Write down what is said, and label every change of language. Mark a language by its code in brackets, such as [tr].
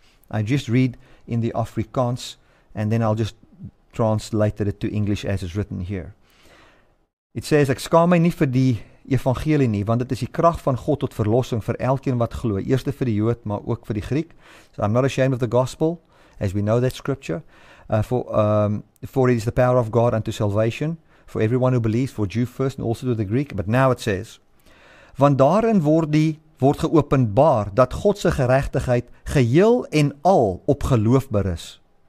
[en] I just read in the Afrikaans, and then I'll just translate it to English as is written here. It says, [af] ek skaam my nie vir die evangelie nie, want dit is die krag van God tot verlossing vir elkeen wat glo, eerste vir die Jood, maar ook vir die Griek. [en] So I'm not ashamed of the gospel, as we know that scripture. For it is the power of God unto salvation, for everyone who believes, for Jew first and also to the Greek. But now it says, [af] want daarin word geopenbaar dat God se geregtigheid geheel en al op geloof berus.